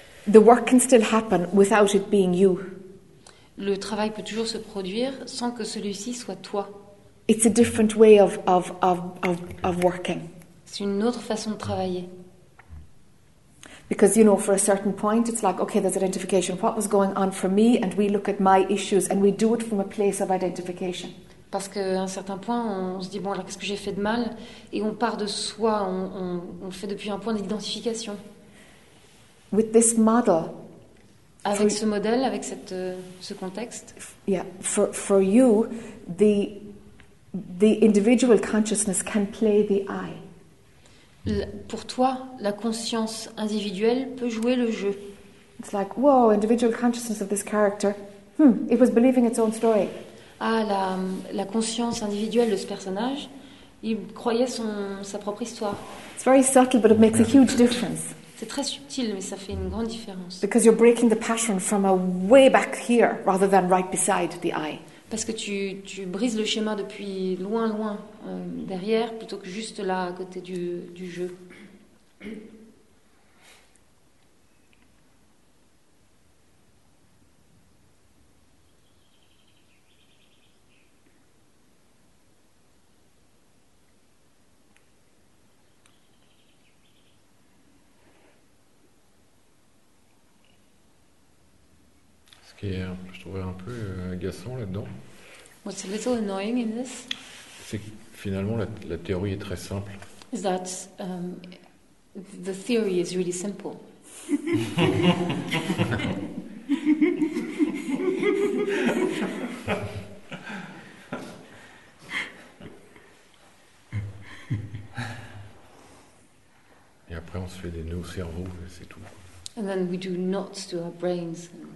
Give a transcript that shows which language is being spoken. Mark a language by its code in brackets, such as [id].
[en] The work can still happen without it being you. [fr] Le travail peut toujours se produire sans que celui-ci soit toi. [en] It's a different way of working. [fr] C'est une autre façon de travailler. [en] Because you know, for a certain point, it's like, okay, there's identification. What was going on for me? And we look at my issues and we do it from a place of identification. [fr] Parce qu'à un certain point, on se dit bon, alors qu'est-ce que j'ai fait de mal? Et on part de soi. On le fait depuis un point d'identification. [en] With this model, [fr] avec ce modèle, avec cette, ce contexte. [en] Yeah, for you, the individual consciousness can play the I. [fr] Pour toi, la conscience individuelle peut jouer le jeu. [en] It's like, whoa, individual consciousness of this character. It was believing its own story. [fr] Ah, la conscience individuelle de ce personnage, il croyait sa propre histoire. [en] It's very subtle, but it makes a huge difference. [fr] C'est très subtil, mais ça fait une grande différence. [en] Because you're breaking the pattern from a way back here, rather than right beside the eye. [fr] Parce que tu brises le schéma depuis loin derrière, plutôt que juste là à côté du jeu. Et je trouvais un peu agaçant là-dedans. [en] What's a little annoying in this? [fr] C'est que finalement la théorie est très simple. [en] Is that the theory is really simple? [fr] Et après on se fait des nœuds au cerveau, c'est tout. [en] And then we do knots to our brains.